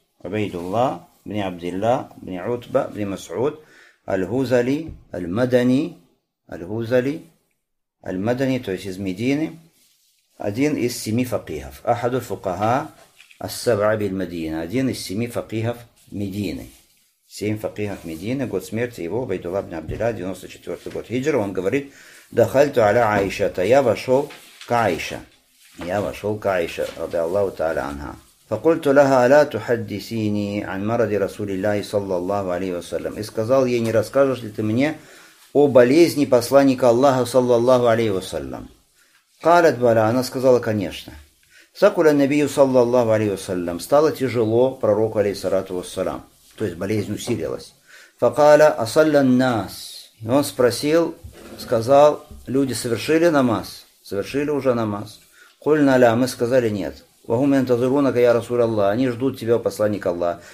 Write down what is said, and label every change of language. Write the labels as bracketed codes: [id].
[ar] عبيد الله بن عبد الله بن عتبة بن مسعود الهزلي المدني. الهزلي المدني [ru] то есть из Медины, один из семи فقيهов, [ar] أحد الفقهاء السبعة بالمدينة, [ru] один из семи فقيهов Медины. Семь فقيهов Медины. Год смерти его عبيد الله بن عبد الله, 94 год хиджры. Он говорит [ar] دخلت على عائشة. [ru] Я вошел к Айше. Я вошел к Айше, [ar] رضي الله تعالى عنها. فقلت لها لا تحدثيني عن مرض رسول الله صلى الله عليه وسلم. [ru] И сказал ей, не расскажешь ли ты мне о болезни посланника Аллаха [ar] صلى الله عليه وسلم. قالت بلى. [ru] Она сказала, конечно. [ar] ثقل النبي صلى الله عليه وسلم. [ru] Стало тяжело пророку [ar] عليه الصلاة والسلام. [ru] То есть болезнь усилилась. [ar] فقال أصلى الناس. [ru] И он спросил, сказал, люди совершили намаз? Совершили уже намаз? [ar] Кульна ля, [ru] мы сказали нет. [ar] Вахум янтазурунака я расул Аллах. [ru] Они ждут тебя, посланник Аллах.